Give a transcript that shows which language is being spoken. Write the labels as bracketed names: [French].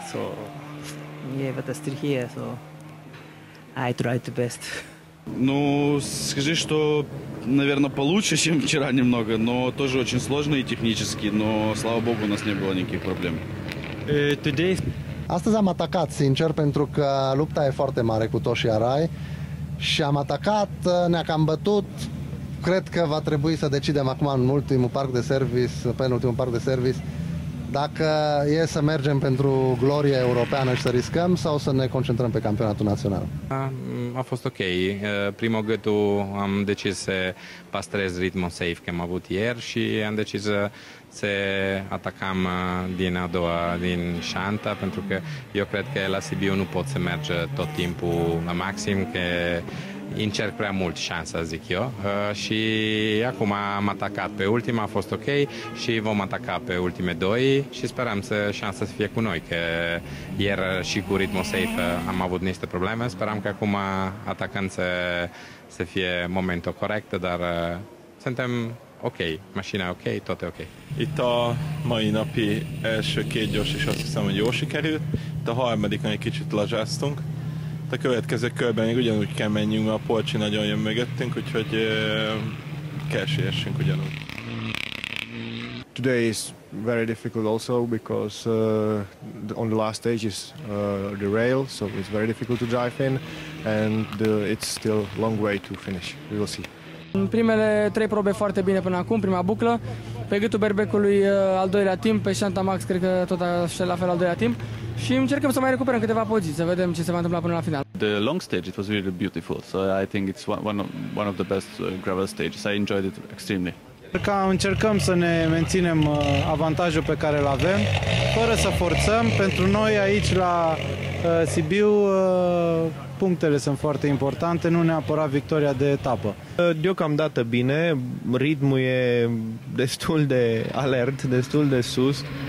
[English] So yeah, but I'm still here, so I try the best. [Russian] Ну, скажи, что, наверное, получше, чем вчера немного, но тоже очень сложно и технически, но, слава богу, у нас не было никаких проблем. [Romanian] Astăzi am atacat, sincer, pentru că lupta e foarte mare cu Toshi Arai și am atacat, ne-a cam bătut. Cred că va trebui să decidem acum în ultimul parc de service, penultimul parc de service, dacă e să mergem pentru gloria europeană și să riscăm sau să ne concentrăm pe campionatul național. A fost ok. Primul gâtul am decis să păstrez ritmul safe că am avut ieri și am decis să atacăm din a doua, din șanta, pentru că eu cred că la Sibiu nu pot să merge tot timpul la maxim, că încerc prea mult șansa, zic eu. Și acum am atacat pe ultima, a fost ok, și vom ataca pe ultime doi și sperăm să șansa să fie cu noi, că ieri și cu ritmul safe am avut niște probleme. Sperăm că acum atacăm să fie momentul corect, dar suntem ok, mașina ok, tot e ok. [Hungarian] Itt a mai napi első két gyors is azt hiszem, hogy jól sikerült, de a harmadik egy kicsit lazsáztunk. A következő körben még ugyanúgy kell menjünk, mert a Polcsi nagyon jön mögöttünk, úgyhogy kell siessünk ugyanúgy. [English] Today is very difficult also because on the last stage is the rail, so it's very difficult to drive in and it's still long way to finish. We will see. [Romanian] În primele trei probe foarte bine până acum, prima buclă, pe gâtul berbecului al doilea timp, pe Shanta Max cred că tot așa la fel al doilea timp. Și încercăm să mai recuperăm câteva poziții, să vedem ce se va întâmpla până la final. [English] The long stage, it was really beautiful. So I think it's one of the best gravel stages. I enjoyed it extremely. [Romanian] Încercăm să ne menținem avantajul pe care îl avem, fără să forțăm. Pentru noi aici la Sibiu punctele sunt foarte importante, nu neapărat victoria de etapă. Deocamdată bine, ritmul e destul de alert, destul de sus.